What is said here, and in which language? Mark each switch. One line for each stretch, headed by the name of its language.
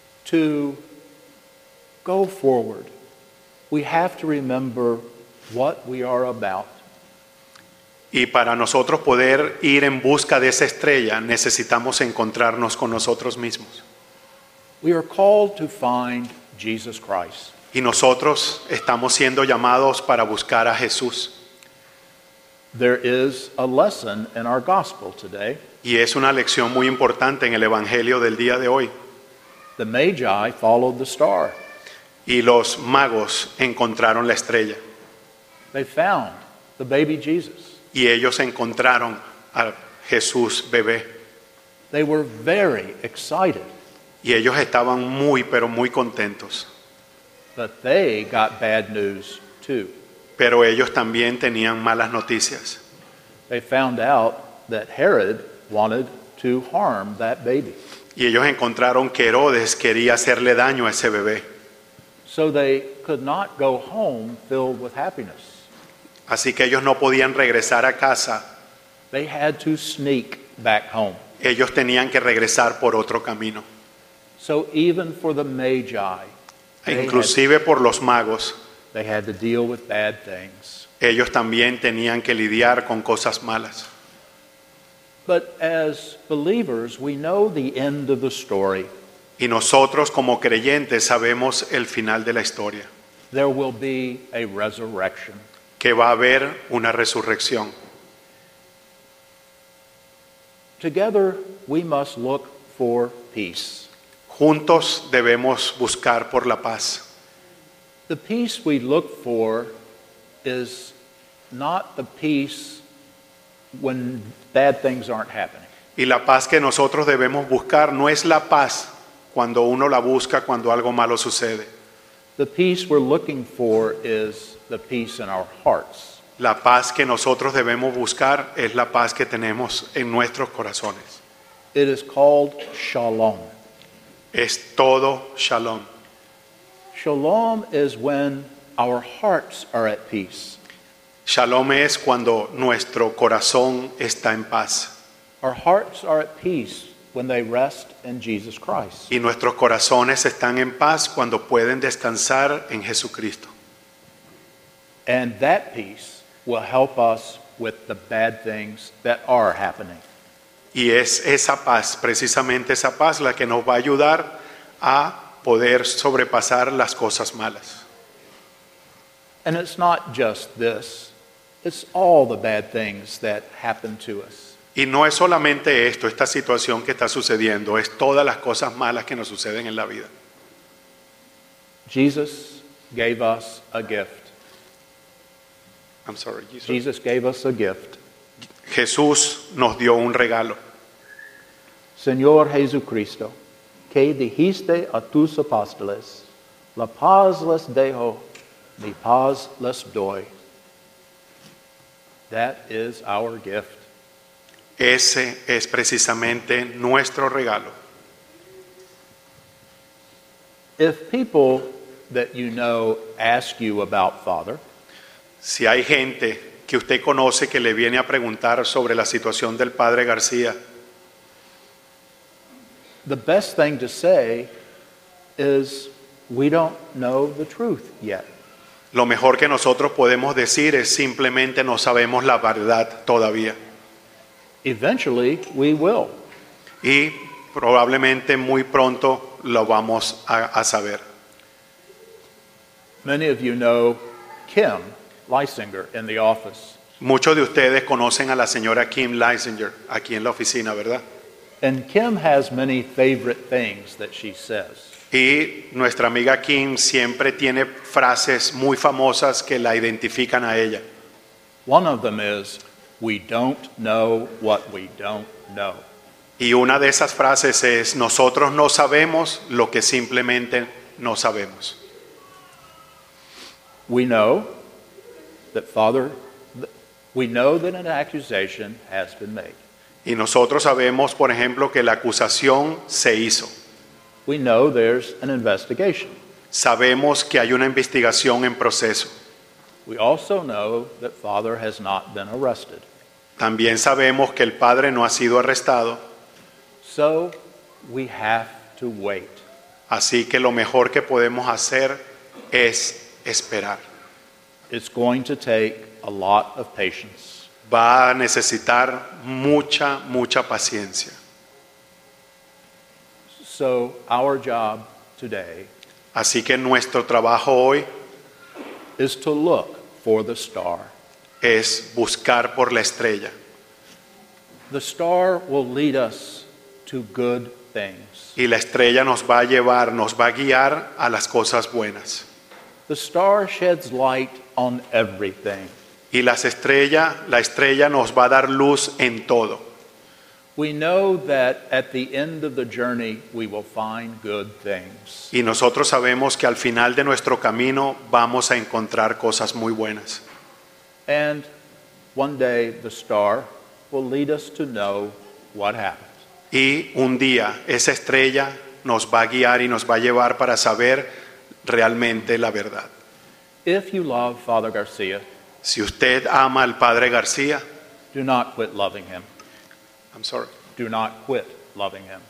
English: To go forward, we have to remember what we are about.
Spanish: Y para nosotros poder ir en busca de esa estrella, necesitamos encontrarnos con nosotros mismos.
English: We are called to find Jesus Christ.
Spanish: Y nosotros estamos siendo llamados para buscar a Jesús.
English: There is a lesson in our gospel today.
Spanish: Y es una lección muy importante en el Evangelio del día de hoy.
English: The Magi followed the star.
Spanish: Y los magos encontraron la estrella.
English: They found the baby Jesus.
Spanish: Y ellos encontraron a Jesús bebé.
English: They were very excited.
Spanish: Y ellos estaban muy, pero muy contentos.
English: But they got bad news too.
Spanish: Pero ellos también tenían malas noticias.
English: They found out that Herod wanted to harm that baby.
Spanish: Y ellos encontraron que Herodes quería hacerle daño a ese bebé.
English: So they could not go home filled with happiness.
Spanish: Así que ellos no podían regresar a casa.
English: They had to sneak back home.
Spanish: Ellos tenían que regresar por otro camino.
English: So even for the Magi,
Spanish: inclusive por los magos,
English: they had to deal with bad things.
Spanish: Ellos también tenían que lidiar con cosas malas.
English: But as believers, we know the end of the story.
Spanish: Y nosotros como creyentes sabemos el final de la historia.
English: There will be a resurrection.
Spanish: Que va a haber una resurrección.
English: Together we must look for peace.
Spanish: Juntos debemos buscar por la paz.
English: The peace we look for is not the peace when bad things aren't happening.
Spanish: Y la paz que nosotros debemos buscar no es la paz cuando uno la busca cuando algo malo sucede.
English: The peace we're looking for is the peace in our hearts.
Spanish: La paz que nosotros debemos buscar es la paz que tenemos en nuestros corazones.
English: It is called shalom.
Spanish: Es todo shalom.
English: Shalom is when our hearts are at peace.
Spanish: Shalom es cuando nuestro corazón está en paz.
English: Our hearts are at peace when they rest in Jesus Christ.
Spanish: Y nuestros corazones están en paz cuando pueden descansar en Jesucristo.
English: And that peace will help us with the bad things that are happening.
Spanish: Y es esa paz, precisamente esa paz, la que nos va a ayudar a poder sobrepasar las cosas malas.
English: And it's not just this. It's all the bad things that happen to us.
Spanish: Y no es solamente esto, esta situación que está sucediendo, es todas las cosas malas que nos suceden en la vida.
English: Jesus gave us a gift. I'm sorry, Jesus. Jesus gave us a gift.
Spanish: Jesús nos dio un regalo. Señor Jesucristo, que dijiste a tus apóstoles, la paz les dejo, mi paz les doy.
English: That is our gift.
Spanish: Ese es precisamente nuestro regalo.
English: If people that you know ask you about Father,
Spanish: si hay gente que usted conoce que le viene a preguntar sobre la situación del Padre García,
English: the best thing to say is we don't know the truth yet.
Spanish: Lo mejor que nosotros podemos decir es simplemente no sabemos la verdad todavía.
English: Eventually, we will.
Spanish: Y probablemente muy pronto lo vamos a saber.
English: Many of you know Kim Leisinger in the office.
Spanish: Muchos de ustedes conocen a la señora Kim Leisinger aquí en la oficina, ¿verdad?
English: And Kim has many favorite things that she says.
Spanish: Y nuestra amiga Kim siempre tiene frases muy famosas que la identifican a ella.
English: One of them is, we don't know what we don't know.
Spanish: Y una de esas frases es, nosotros no sabemos lo que simplemente no sabemos.
English: We know that an accusation has been made.
Spanish: Y nosotros sabemos, por ejemplo, que la acusación se hizo.
English: We know there's an investigation.
Spanish: Sabemos que hay una investigación en proceso.
English: We also know that Father has not been arrested.
Spanish: También sabemos que el Padre no ha sido arrestado.
English: So we have to wait.
Spanish: Así que lo mejor que podemos hacer es esperar.
English: It's going to take a lot of patience.
Spanish: Va a necesitar mucha, mucha paciencia.
English: So our job today,
Spanish: así que nuestro trabajo hoy
English: is to look for the star.
Spanish: Es buscar por la estrella.
English: The star will lead us to good things.
Spanish: Y la estrella nos va a llevar, nos va a guiar a las cosas buenas.
English: The star sheds light on everything.
Spanish: Y la estrella nos va a dar luz en todo.
English: We know that at the end of the journey we will find good things.
Spanish: Y nosotros sabemos que al final de nuestro camino vamos a encontrar cosas muy buenas.
English: And one day the star will lead us to know what happened.
Spanish: Y un día esa estrella nos va a guiar y nos va a llevar para saber realmente la verdad.
English: If you love Father Garcia,
Spanish: si usted ama al Padre García,
English: do not quit loving him. I'm sorry. Do not quit loving him.